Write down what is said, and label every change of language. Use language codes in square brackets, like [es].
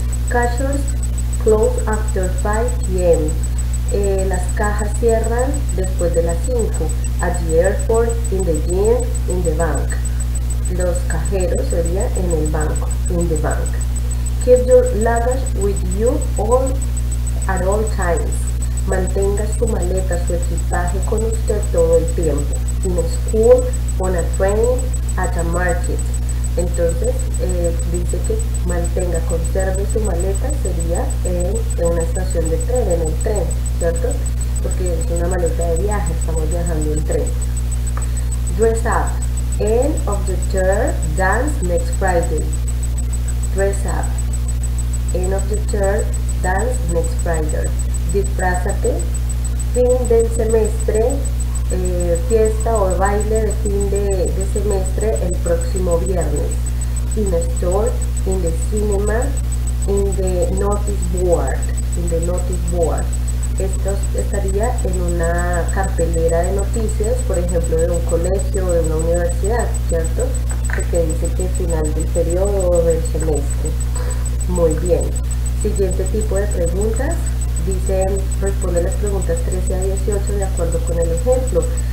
[en] Cashers close after 5 p.m. [es] Las cajas cierran después de las 5, [en] at the airport, in the gym, in the bank. [es] Los cajeros sería en el banco, [en] in the bank. Keep your luggage with you at all times. [es] Mantenga su maleta, su equipaje con usted todo el tiempo. [en] In a school, on a train, at a market. [es] Entonces, dice que mantenga, conserve su maleta, sería en una estación de tren, en el tren, ¿cierto? Porque es una maleta de viaje, estamos viajando en tren. [en] Dress up. End of the term, dance next Friday. Dress up. End of the term, dance next Friday. [es] Disfrázate. Fin del semestre, fiesta o baile de fin de semestre el próximo viernes. [en] In a store, in the cinema, in the notice board. In the notice board. [es] Esto estaría en una cartelera de noticias, por ejemplo, de un colegio o de una universidad, ¿cierto? Porque dice que es final del periodo o del semestre. Muy bien. Siguiente tipo de preguntas. Dicen, responde las preguntas 13 a 18 de acuerdo con el ejemplo.